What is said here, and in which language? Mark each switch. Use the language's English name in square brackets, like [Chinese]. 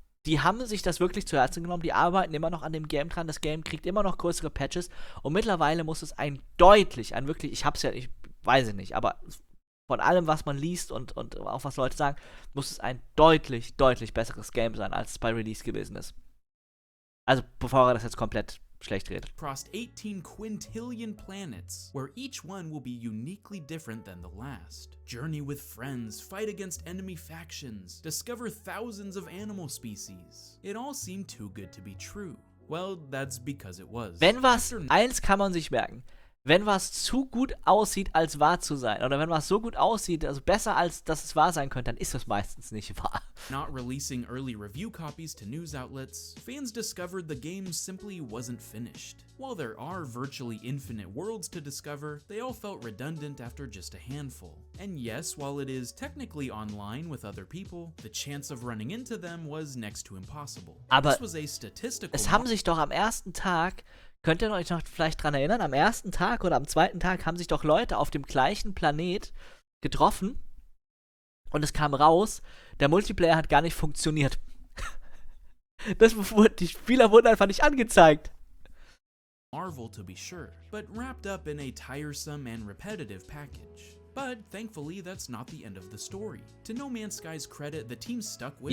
[German] die haben sich das wirklich zu Herzen genommen, die arbeiten immer noch an dem Game dran, das Game kriegt immer noch größere Patches und mittlerweile muss es ein deutlich, ein wirklich, ich hab's ja, ich weiß es nicht, aber von allem, was man liest und auch was Leute sagen, muss es ein deutlich, deutlich besseres Game sein, als es bei Release gewesen ist. Also, bevor er das jetzt komplett schlecht redet. [English] Crossed 18 quintillion planets, where each one will be uniquely different than the last. Journey with friends, fight against enemy factions, discover thousands of animal species. It all seemed too good to be true. Well, that's because it was. [German] Wenn was, eins kann man sich merken, wenn was zu gut aussieht, als wahr zu sein, oder wenn was so gut aussieht, also besser als, dass es wahr sein könnte, dann ist es meistens nicht wahr. [English] Not releasing early review copies to news outlets, fans discovered the game simply wasn't finished. While there are virtually infinite worlds to discover, they all felt redundant after just a handful. And yes, while it is technically online with other people, the chance of running into them was next to impossible. [German] Aber [English] this was a statistical [German] es haben sich doch am ersten Tag... Könnt ihr euch noch vielleicht dran erinnern? Am ersten Tag oder am zweiten Tag haben sich doch Leute auf dem gleichen Planet getroffen und es kam raus, der Multiplayer hat gar nicht funktioniert. Das, die Spieler wurden einfach nicht angezeigt. [English] Marvel, to be sure, but wrapped up in a tiresome and repetitive package. But thankfully, that's not the end of the story. To No Man's Sky's credit, the team stuck with